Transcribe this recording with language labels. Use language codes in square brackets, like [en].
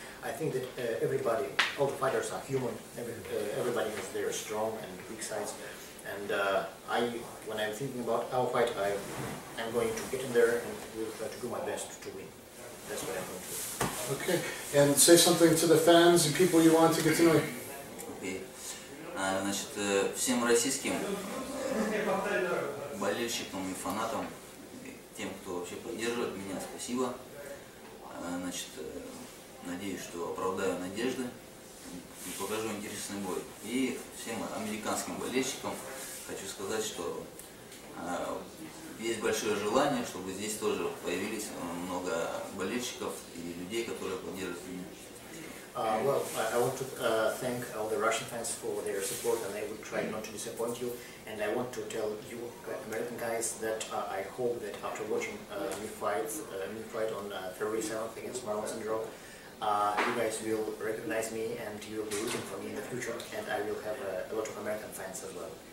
[en] I think that everybody, all the fighters are human. Everybody has their strong and weak sides. And when I'm thinking about our fight, I'm going to get in there and will try to do my best to win. That's what I'm going to do. Okay, and say something to the fans and people you want to get to know. [ru] Значит, всем российским болельщикам и фанатам, тем, кто вообще поддерживает меня, спасибо. Значит, надеюсь, что оправдаю надежды и покажу интересный бой. И всем американским болельщикам хочу сказать, что есть большое желание, чтобы здесь тоже появились много болельщиков и людей, которые поддерживают меня. [en] Well, I want to thank all the Russian fans for their support, and I will try not to disappoint you. And I want to tell you, American guys, that I hope that after watching me fight on February 7th against Marlon Sandro, you guys will recognize me and you will be rooting for me in the future, and I will have a lot of American fans as well.